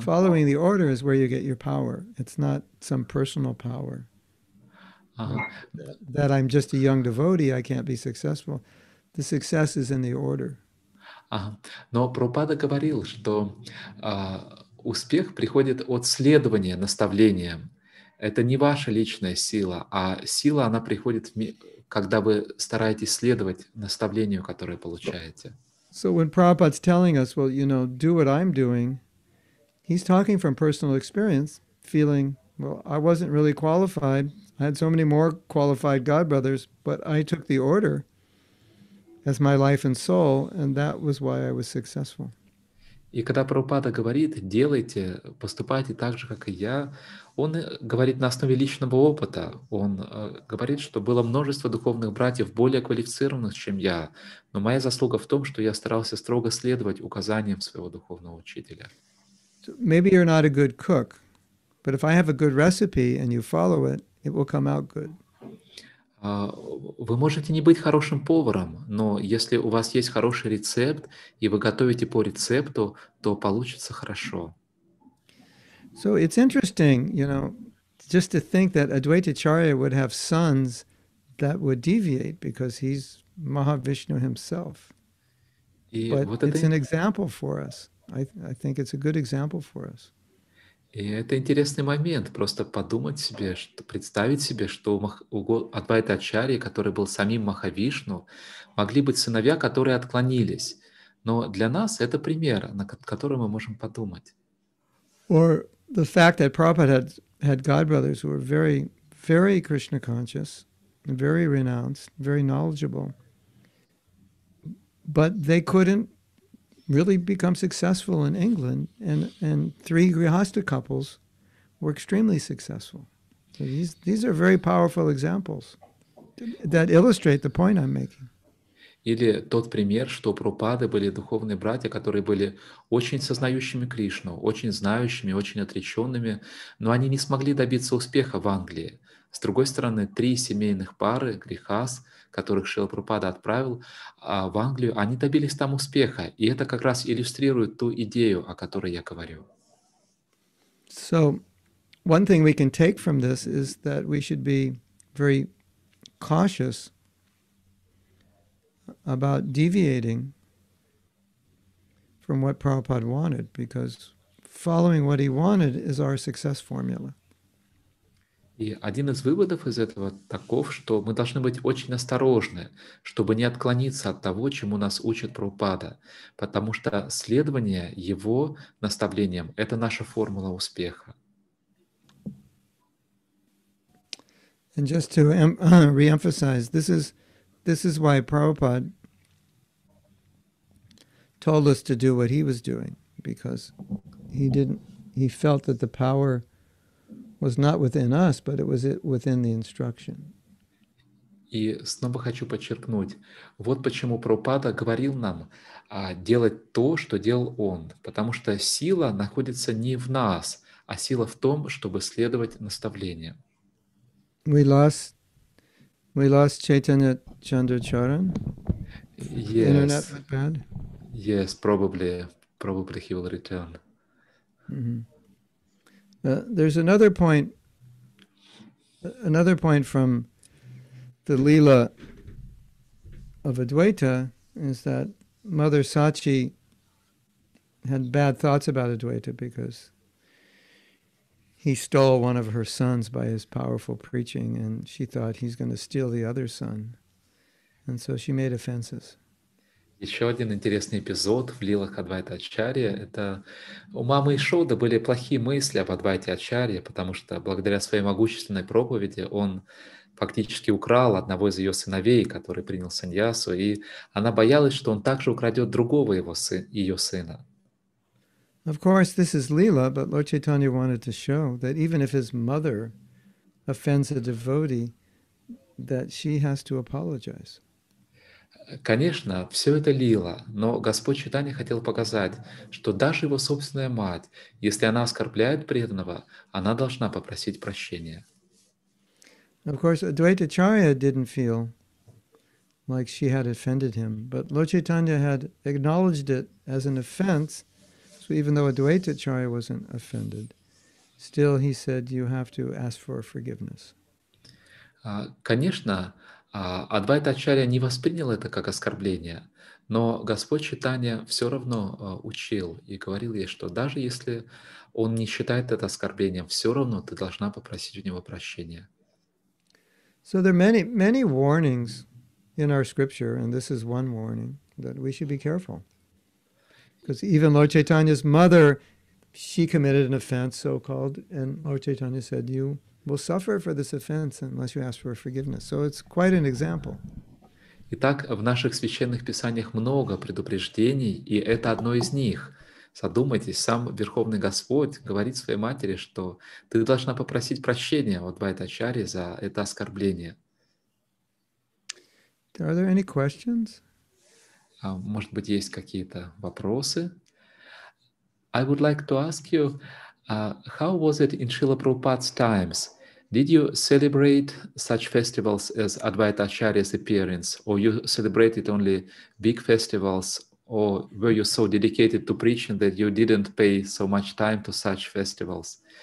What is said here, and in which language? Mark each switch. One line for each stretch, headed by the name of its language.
English: Following the order is where you get your power. It's not some personal power. that I'm just a young devotee, I can't be successful. The success is in the order.
Russian: Но Прабхупада говорил, что успех приходит от следования наставлениям. Это не ваша личная сила, а сила, она приходит, когда вы стараетесь следовать наставлению, которое получаете.
English: So when Prabhupada's telling us, well, you know, do what I'm doing, he's talking from personal experience, feeling, well, I wasn't really qualified. I had so many more qualified godbrothers, but I took the order as my life and soul, and that was why I was successful.
Russian: И когда Прабхупада говорит, делайте, поступайте так же, как и я, он говорит на основе личного опыта. Он говорит, что было множество духовных братьев, более квалифицированных, чем я, но моя заслуга в том, что я старался строго следовать указаниям своего духовного учителя.
English: Maybe you're not a good cook, but if I have a good recipe and you follow it, it will come out good.
Russian: Вы можете не быть хорошим поваром, но если у вас есть хороший рецепт, и вы готовите по рецепту, то получится хорошо.
English: So it's interesting, you know, just to think that Advaita Charya would have sons that would deviate, because he's Mahavishnu himself. But
Russian: вот это...
English: it's an example for us. I think it's a good example for us.
Russian: И это интересный момент, просто подумать себе, что, представить себе, что у Адвайта Ачарьи, который был самим Махавишну, могли быть сыновья, которые отклонились. Но для нас это пример, на который мы можем подумать.
English: Or the fact that Prabhupada had godbrothers who were very, very Krishna conscious, very renounced, very knowledgeable, but they couldn't really become successful in England, and three Grihastha couples were extremely successful. So these are very powerful examples that illustrate the point I'm making.
Russian: Или тот пример, что Прабхупады были духовные братья, которые были очень сознающими Кришну, очень знающими, очень отреченными, но они не смогли добиться успеха в Англии. С другой стороны, три семейных пары Грихас, которых Шрила Прабхупада отправил в Англию, они добились там успеха. И это как раз иллюстрирует ту идею, о которой я говорю.
English: So, one thing we can take from this is that we should be very cautious about deviating from what Prabhupada wanted, because following what he wanted is our success formula.
Russian: И один из выводов из этого таков, что мы должны быть очень осторожны, чтобы не отклониться от того, чему нас учит Прабхупада, потому что следование его наставлениям — это наша формула успеха.
English: And just to re-emphasize, this is why Prabhupada told us to do what he was doing, because he felt that the power was not within us, but it was within the instruction.
Russian: И снова хочу подчеркнуть, вот почему Прабхупада говорил нам делать то, что делал он, потому что сила находится не в нас, а сила в том, чтобы следовать наставлениям.
English: We lost Chaitanya Chandracharan. Yes. The internet went bad. Yes, probably he will return. Mm-hmm. There's another point from the Leela of Advaita is that Mother Sachi had bad thoughts about Advaita because he stole one of her sons by his powerful preaching, and she thought he's going to steal the other son, and so she made offenses.
Russian: Еще один интересный эпизод в лилах Адвайта Ачарьи — это у мамы Ишоды были плохие мысли об Адвайте Ачарьи, потому что благодаря своей могущественной проповеди он фактически украл одного из ее сыновей, который принял саньясу, и она боялась, что он также украдет другого ее сына.
English: Of course, this is lila, but Lord Chaitanya wanted to show that even if his mother offends a devotee, that she has to apologize.
Russian: Конечно, все это лила, но Господь Чайтанья хотел показать, что даже его собственная мать, если она оскорбляет преданного, она должна попросить прощения.
English: Of course, Advaita Charya didn't feel like she had offended him, but Lord Chaitanya had acknowledged it as an offense, so even though Advaita Charya wasn't offended, still he said, you have to ask for forgiveness.
Russian: Конечно, Адвайта Ачарья не воспринял это как оскорбление, но Господь Чайтанья все равно учил и говорил ей, что даже если он не считает это оскорблением, все равно ты должна попросить у него прощения.
English: So there are many, many warnings in our scripture, and this is one warning that we should be careful. Because even Lord Chaitanya's mother, she committed an offense, so-called, and Lord Chaitanya said, you will suffer for this offense unless you ask for forgiveness. So it's quite an example.
Russian: Итак, в наших священных писаниях много предупреждений, и это одно из них. Задумайтесь, сам Верховный Господь говорит своей матери, что ты должна попросить прощения у Адвайта Ачарьи за это оскорбление.
English: Are there any questions?
Russian: Может быть, есть какие-то вопросы?
English: I would like to ask you, how was it in Srila Prabhupada's times? Did you celebrate such festivals as Advaita Acharya's appearance, or you celebrated only big festivals, or were you so dedicated to preaching that you didn't pay so much time to such festivals?